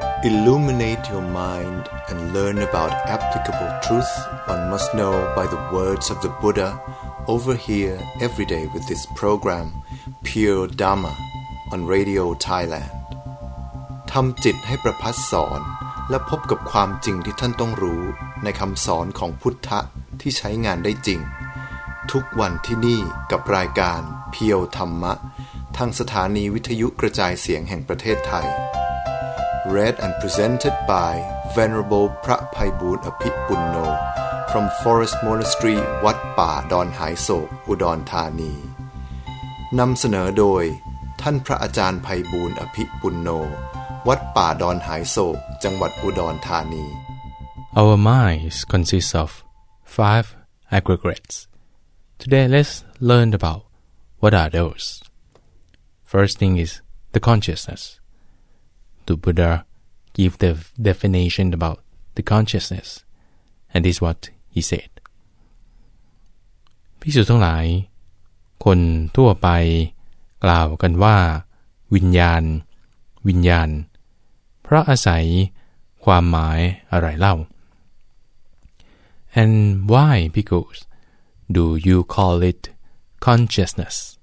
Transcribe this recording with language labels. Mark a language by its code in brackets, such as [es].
[en] Illuminate your mind and learn about applicable truth one must know by the words of the Buddha over here every day with this program, Pure Dharma, on Radio Thailand. [th] ทำจิตให้ประพัสสอนและพบกับความจริงที่ท่านต้องรู้ในคำสอนของพุทธะที่ใช้งานได้จริงทุกวันที่นี่กับรายการเพียวธรรมะทางสถานีวิทยุกระจายเสียงแห่งประเทศไทย [en] Read and presented by Venerable [th] พระไพบูลย์อภิปุณโญ [en] from Forest Monastery [th] วัดป่าดอนหายโศกอุดรธานีนำเสนอโดยท่านพระอาจารย์ไพบูลย์อภิปุณโญวัดป่าดอนหายโศกจังหวัดอุดรธานี [en] Our minds consist of 5 aggregates. Today let's learn about what are those. First thing is the consciousness. The Buddha gave the definition about the consciousness, and this is what he said. [th] ภิกษุทั้งหลายคนทั่วไปกล่าวกันว่าวิญญาณวิญญาณเพราะอาศัยความหมายอะไรเล่า [en] And why, bhikkhus, do you call it consciousness?